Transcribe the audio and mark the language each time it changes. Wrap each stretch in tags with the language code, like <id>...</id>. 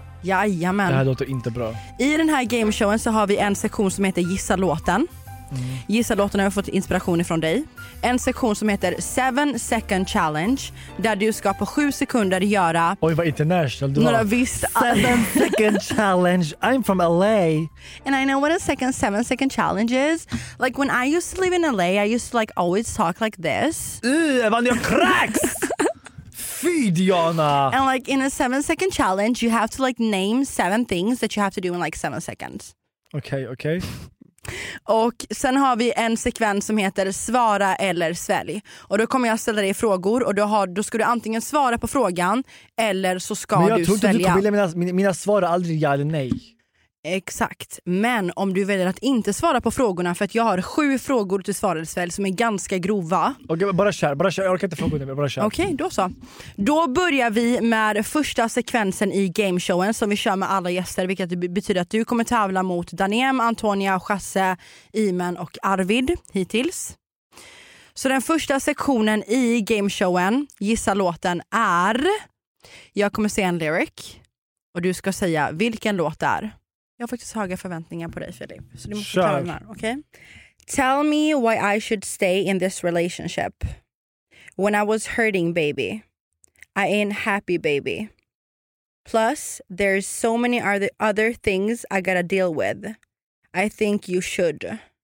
<sv>Jajamän. Det här låter inte bra. I den här game showen så har vi en sektion som heter Gissa låten. Mm. Gissa låten har jag fått inspiration ifrån dig. En sektion som heter 7-second challenge där du ska på 7 sekunder göra. Oj, vad international du var.</sv> <en>7-second challenge. I'm from LA and I know what a 7-second challenge is. Like when I used to live in LA, I used to like always talk like this.</en> <sv>Evan, jag cracks. Fy Diana.</sv> <en>And like in a 7-second challenge you have to like name 7 things that you have to do in like 7 seconds.</en> <sv>Okej. Och sen har vi en sekvens som heter svara eller svälj. Och då kommer jag ställa dig frågor. Och då ska du antingen svara på frågan eller så ska du svälja. Men jag trodde att du kommer vilja mina svar aldrig ja eller nej. Exakt. Men om du väljer att inte svara på frågorna, för att jag har 7 frågor till svara eller svälj som är ganska grova. Okej, okay, bara kör. Jag orkar inte frågorna, bara kör. Okej, okay, då så. Då börjar vi med första sekvensen i gameshowen som vi kör med alla gäster, vilket betyder att du kommer tävla mot Daniem, Antonia, Chasse, Imen och Arvid hittills. Så den första sektionen i gameshowen, gissa låten, är jag kommer säga en lyric och du ska säga vilken låt det är. Jag har faktiskt höga förväntningar på dig, Filip. Så du måste klara den här, okej?</sv> <en>Tell me why I should stay in this relationship. When I was hurting, baby. I ain't happy, baby. Plus, there's so many other things I gotta deal with. I think you should.</en>